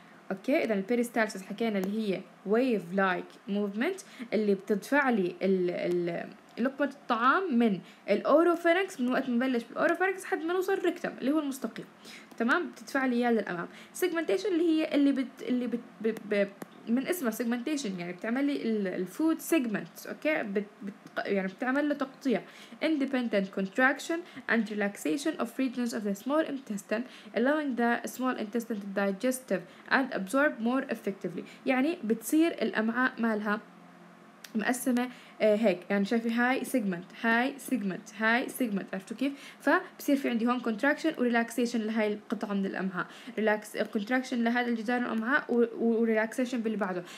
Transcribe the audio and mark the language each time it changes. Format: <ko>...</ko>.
<ar>أوكي إذن peristalsis حكينا اللي هي</ar> <en>wave like movement</en> <ar>اللي بتدفع لي لقمة الطعام من الأوروفارينكس، من وقت مبلش بالأوروفارينكس حد ما نوصل ركتم اللي هو المستقيم، تمام بتدفع لي اياه للامام. سيجمنتيشن اللي هي من اسمها سيجمنتيشن، يعني بتعمل لي الفود سيجمنت. اوكي يعني بتعمل له تقطيع.</ar> <en>independent contraction and relaxation of regions of the small intestine allowing the small intestine to digest and absorb more effectively.</en> <ar>يعني بتصير الامعاء مالها مقسمة هيك، يعني شايفي هاي سيجمنت هاي سيجمنت هاي سيجمنت، عرفتوا كيف؟ فبصير في عندي هون contraction وrelaxation لهاي القطعة من الأمعاء، contraction لهذا الجدار الأمعاء وrelaxation باللي بعده.</ar>